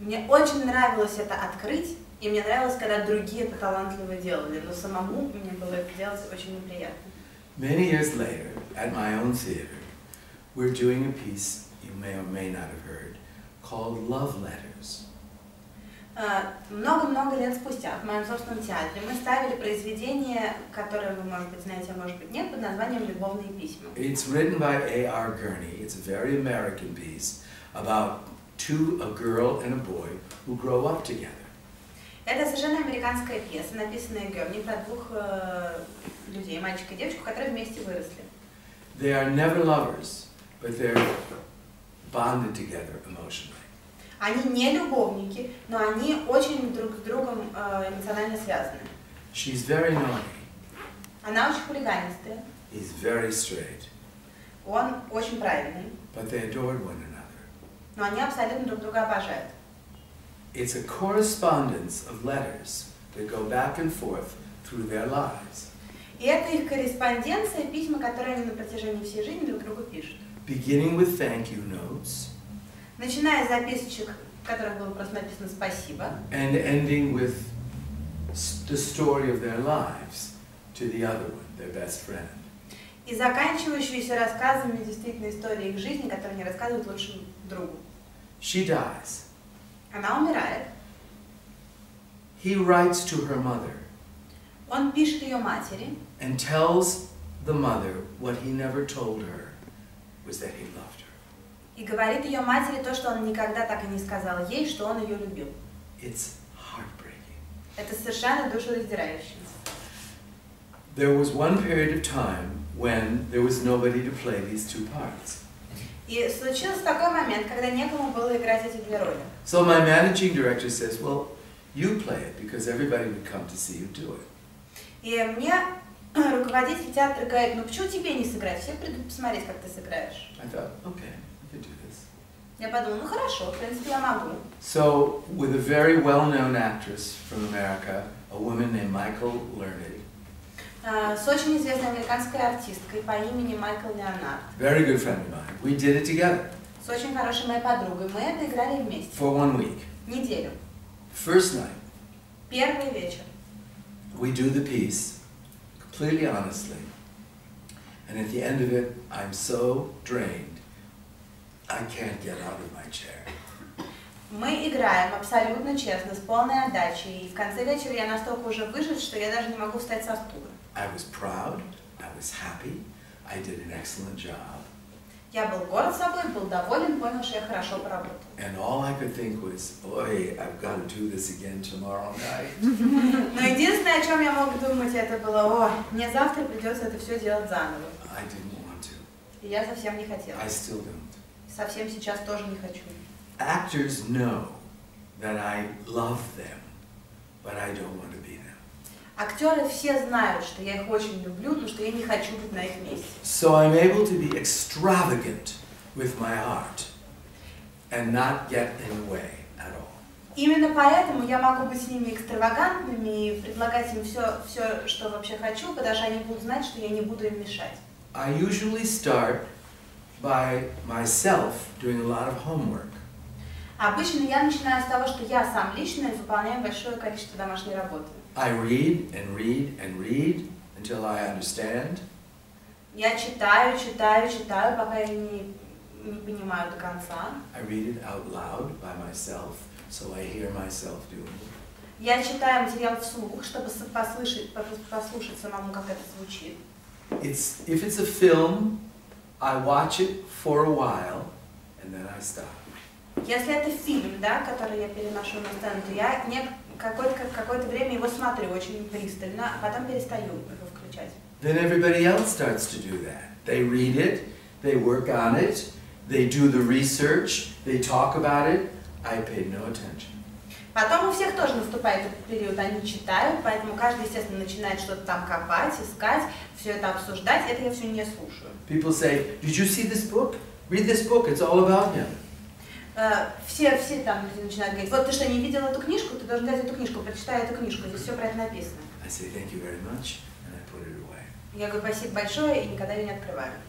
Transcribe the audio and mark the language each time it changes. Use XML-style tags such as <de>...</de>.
<ru>Мне очень нравилось это открыть, и мне нравилось, когда другие это талантливо делали, но самому мне было это делать очень неприятно.</ru> <en>Many years later, at my own theater, we're doing a piece you may or may not have heard called Love Letters.</en> <ru>Много-много лет спустя в моем собственном театре мы ставили произведение, которое вы, может быть, знаете, а может быть, нет, под названием «Любовные письма».</ru> <en>It's written by A.R. Gurney. It's a very American piece about two, a girl and a boy, who grow up together.</en> <ru>Это совершенно американская пьеса, написанная Гёрни, про двух людей, мальчика и девочку, которые вместе выросли.</ru> <en>They are never lovers, but they're bonded together emotionally.</en> <ru>Они не любовники, но они очень друг с другом эмоционально связаны.</ru> <en>She's very naughty.</en> <ru>Она очень хулиганистая.</ru> <en>He's very straight.</en> <ru>Он очень правильный.</ru> <en>But they adored one another.</en> <ru>Но они абсолютно друг друга обожают.</ru> <en>It's a correspondence of letters that go back and forth through their lives.</en> <ru>И это их корреспонденция, письма, которые они на протяжении всей жизни друг другу пишут.</ru> <en>Beginning with thank you notes.</en> <ru>Начиная с записочек, в которых было просто написано «спасибо».</ru> <en>And ending with the story of their lives to the other one, their best friend.</en> <ru>И заканчивающиеся рассказами действительно истории их жизни, которые они рассказывают лучшему другу.</ru> <en>She dies.</en> <ru>Она умирает.</ru> <en>He writes to her mother.</en> <ru>Он пишет ее матери.</ru> <en>And tells the mother what he never told her was that he loved her.</en> <ru>И говорит ее матери то, что он никогда так и не сказал ей, что он ее любил.</ru> <en>It's heartbreaking.</en> <ru>Это совершенно душераздирающе.</ru> <en>There was one period of time when there was nobody to play these two parts.</en> <ru>И случился такой момент, когда некому было играть эти две роли.</ru> <en>So my managing director says, well, you play it, because everybody would come to see you do it.</en> <ru>И мне руководитель театра говорит, ну почему тебе не сыграть? Все придут посмотреть, как ты сыграешь.</ru> <en>I thought, okay.</en> <ru>Я подумала, ну хорошо, в принципе, я могу.</ru> <en>So, with a very well-known actress from America, a woman named Michael Learned.</en> <ru>С очень известной американской артисткой по имени Майкл Леонард.</ru> <en>Very good friend of mine. We did it together.</en> <ru>С очень хорошей моей подругой. Мы это играли вместе.</ru> <en>For 1 week.</en> <ru>Неделю.</ru> <en>First night.</en> <ru>Первый вечер.</ru> <en>We do the piece completely honestly. And at the end of it, I'm so drained. I can't get out of my chair.</en> <ru>Мы играем абсолютно честно, с полной отдачей. И в конце вечера я настолько уже выжат, что я даже не могу встать со стула.</ru> <en>I was proud, I was happy, I did an excellent job.</en> <ru>Я был горд собой, был доволен, понял, что я хорошо поработал.</ru> <en>And all I could think was, boy, I've got to do this again tomorrow night.</en> <ru>Но единственное, о чем я мог думать, это было, о, мне завтра придется это все делать заново.</ru> <en>I didn't want to.</en> <ru>И я совсем не хотел.</ru> <en>I still don't.</en> <ru>Совсем сейчас тоже не хочу.</ru> <en>Actors know that I love them, but I don't want to be them.</en> <ru>Актеры все знают, что я их очень люблю, но что я не хочу быть на их месте.</ru> <en>So I'm able to be extravagant with my art and not get in the way at all.</en> <ru>Именно поэтому я могу быть с ними экстравагантными и предлагать им все, что вообще хочу, потому что они будут знать, что я не буду им мешать.</ru> <en>I usually start by myself doing a lot of homework.</en> <ru>Обычно я начинаю с того, что я сам лично выполняю большое количество домашней работы.</ru> <en>I read and read and read until I understand.</en> <ru>Я читаю, читаю, читаю, пока я не понимаю до конца.</ru> <en>I read it out loud by myself, so I hear myself doing it.</en> <ru>Я читаю материал вслух, чтобы послушать самому, как это звучит.</ru> <en>If it's a film, I watch it for a while, and then I stop.</en> <ru>Если это фильм, да, который я переношу на сцену, то я какое-то время его смотрю очень пристально, а потом перестаю его включать.</ru> <en>Then everybody else starts to do that. They read it, they work on it, they do the research, they talk about it. I paid no attention.</en> <ru>Потом у всех тоже наступает этот период, они читают, поэтому каждый, естественно, начинает что-то там копать, искать, все это обсуждать, это я все не слушаю.</ru> <en>People say, did you see this book? Read this book, it's all about him.</en> <ru>Все там люди начинают говорить, вот ты что, не видел эту книжку, ты должен взять эту книжку, прочитай эту книжку, здесь все про это написано.</ru> <en>I say, thank you very much, and I put it away.</en> <ru>Я говорю, спасибо большое, и никогда ее не открываю.</ru>